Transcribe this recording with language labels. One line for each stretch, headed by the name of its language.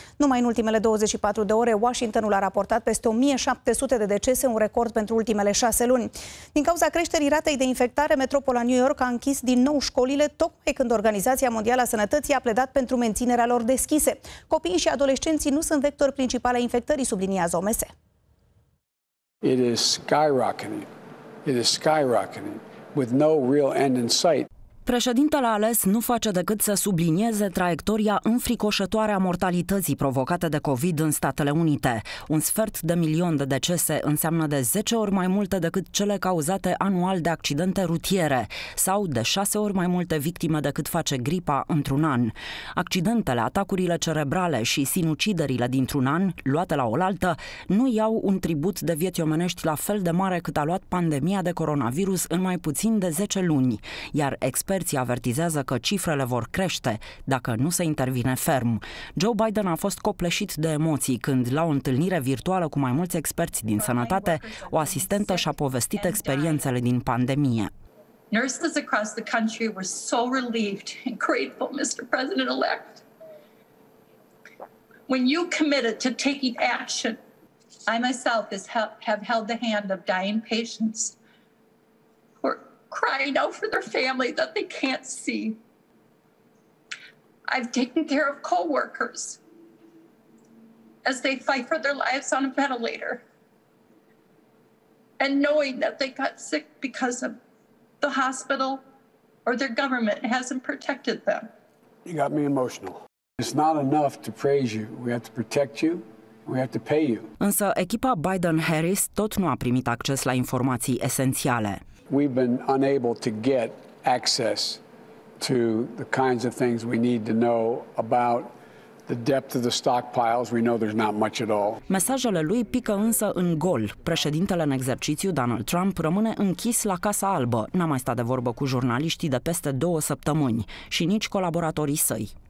Romanian: Numai în ultimele 24 de ore, Washingtonul a raportat peste 1.700 de decese, un record pentru ultimele 6 luni. Din cauza creșterii ratei de infectare, metropola New York a închis din nou școlile, tocmai când Organizația Mondială a Sănătății a pledat pentru menținerea lor deschise. Copiii și adolescenții nu sunt vector principal al infectării, subliniază OMS.
English: It is skyrocketing. It is skyrocketing with no real end in sight.
Romanian: Președintele ales nu face decât să sublinieze traiectoria înfricoșătoare a mortalității provocate de COVID în Statele Unite. Un sfert de milion de decese înseamnă de 10 ori mai multe decât cele cauzate anual de accidente rutiere sau de 6 ori mai multe victime decât face gripa într-un an. Accidentele, atacurile cerebrale și sinuciderile dintr-un an, luate la oaltă, nu iau un tribut de vieți omenești la fel de mare cât a luat pandemia de coronavirus în mai puțin de 10 luni, iar experții avertizează că cifrele vor crește dacă nu se intervine ferm. Joe Biden a fost copleșit de emoții când, la o întâlnire virtuală cu mai mulți experți din sănătate, o asistentă și-a povestit experiențele din pandemie.
English: Nurses across the country were so relieved and grateful, Mr. President-elect. When you committed to taking action, I myself have held the hand of dying patients crying out for their family that they can't see. I've taken care of co-workers as they fight for their lives on a ventilator. And knowing that they got sick because of the hospital or their government hasn't protected them. You got me emotional. It's not enough to praise you. We have to protect you. We have to pay you.
Romanian: Însă echipa Biden-Harris tot nu a primit acces la informații esențiale.
English: We've been unable to get access to the kinds of things we need to know about the depth of the stockpiles. We know there's not much at all.
Romanian: Mesajele lui pică însă în gol. Președintele în exercițiu, Donald Trump, rămâne închis la Casa Albă. N-a mai stat de vorbă cu jurnaliștii de peste 2 săptămâni și nici colaboratorii săi.